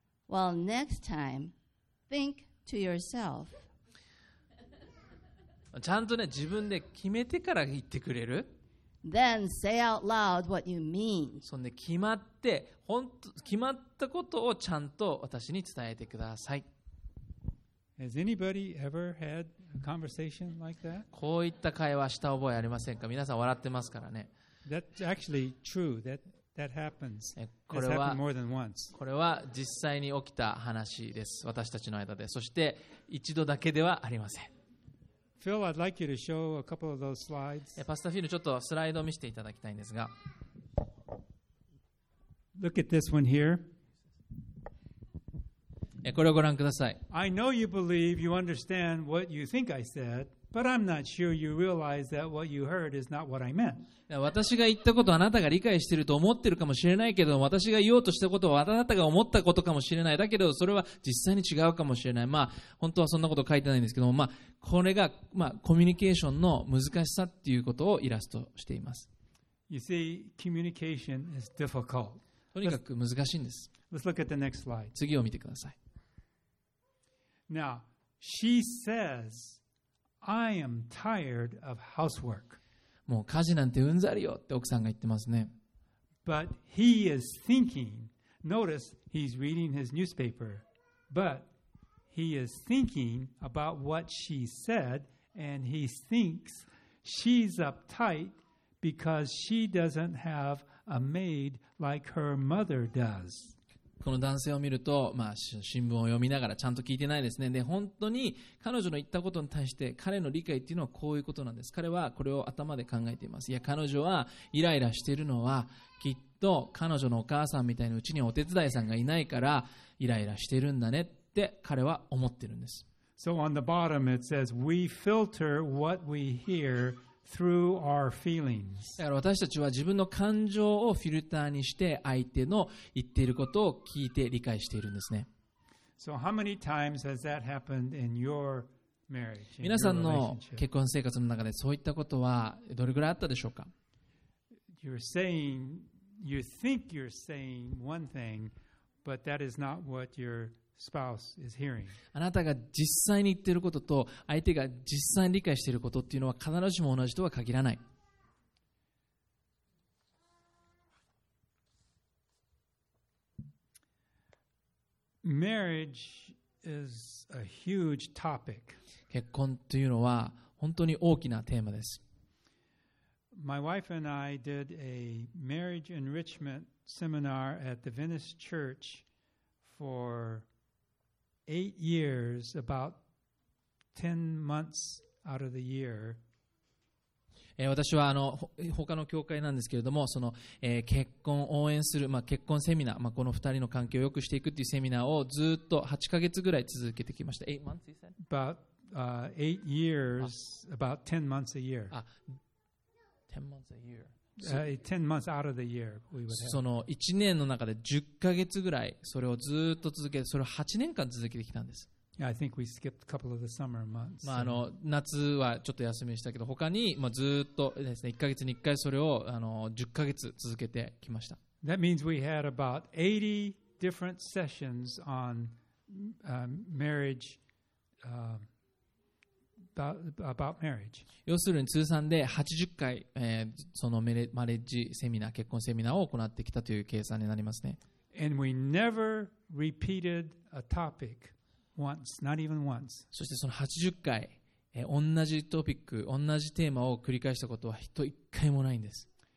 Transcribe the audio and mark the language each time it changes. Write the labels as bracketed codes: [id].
[en] Well, next time, think. To yourself. [ja] ちゃんとね自分で決めてから言ってくれる [en] Then say out loud what you mean. [ja] そんで決まって本当決まったことをちゃんと私に伝えてください [en] Has anybody ever had a conversation like that? [ja] こういった会話した覚えありませんか皆さん笑ってますからね [en] That's actually true. That happens. [ja] これは、これは実際に起きた話です。私たちの間で。そして一度だけではありません。 [en] Phil, I'd like you to show a couple of those slides. [ja] パスタフィル、ちょっとスライドを見せていただきたいんですが。 [en] Look at this one here. [ja] これをご覧ください。 [en] I know you believe you understand what you think I said. But I'm not sure you realize that what you heard is not what I meant. [ja] 私が言ったことあなたが理解していると思っているかもしれないけど、私が言おうとしたことはあなたが思ったことかもしれない。だけどそれは実際に違うかもしれない。まあ本当はそんなこと書いてないんですけども、まあこれがまあコミュニケーションの難しさっていうことをイラストしています。 [en] You see, communication is difficult. [ja] とにかく難しいんです。 [en] Let's look at the next slide. [ja] 次を見てください。 [en] Now, she says. I am tired of housework. [ja] もう家事なんてうんざりよって奥さんが言ってますね。 [en] But he is thinking. Notice he's reading his newspaper. But he is thinking about what she said, and he thinks she's uptight because she doesn't have a maid like her mother does. [ja] この男性を見ると、まあ、新聞を読みながらちゃんと聞いてないですね。で、本当に彼女の言ったことに対して彼の理解っていうのはこういうことなんです。彼はこれを頭で考えています。いや、彼女はイライラしているのはきっと彼女のお母さんみたいなうちにお手伝いさんがいないからイライラしているんだねって彼は思ってるんです。 [en] So on the bottom it says, we filter what we hear. Through our feelings. [ja] だから私たちは自分の感情をフィルターにして相手の言っていることを聞いて理解しているんですね。 [en] So how many times has that happened in your marriage? [ja] 皆さんの結婚生活の中でそういったことはどれぐらいあったでしょうか? [en] You're saying, you think you're saying one thing, but that is not what you're spouse is hearing. [ja] あなたが実際に言っていることと相手が実際に理解していることっていうのは必ずしも同じとは限らない。 [en] Marriage is a huge topic. [ja] 結婚というのは本当に大きなテーマです。 [en] My wife and I did a marriage enrichment seminar at the Venice Church for 8 years, about 10 months out of the year. [ja] 私はあの他の教会なんですけれども、その結婚応援する、まあ結婚セミナー、まあこの2人の関係を良くしていくっていうセミナーをずっと8ヶ月ぐらい続けてきました。 [en] 8 months, you said? About 8 years, about 10 months a year. 10 months a year. 10 months out of the year, we would have. [ja] その1年の中で10ヶ月ぐらい、それをずっと続けて、それを8年間続けてきたんです。 [en] Yeah, I think we skipped a couple of the summer months. [ja] まあ、あの夏はちょっと休みしたけど、他に、まあ、ずっとですね、1ヶ月に1回それをあの10ヶ月続けてきました。 [en] That means we had about 80 different sessions on marriage, about marriage. [ja] 要するに通算で80回、そのマレッジセミナー、結婚セミナーを行ってきたという計算になりますね。 [en] And we never repeated a topic. Once, not even once. [ja] そしてその80回、同じトピック、同じテーマを繰り返したことは一回もないんです。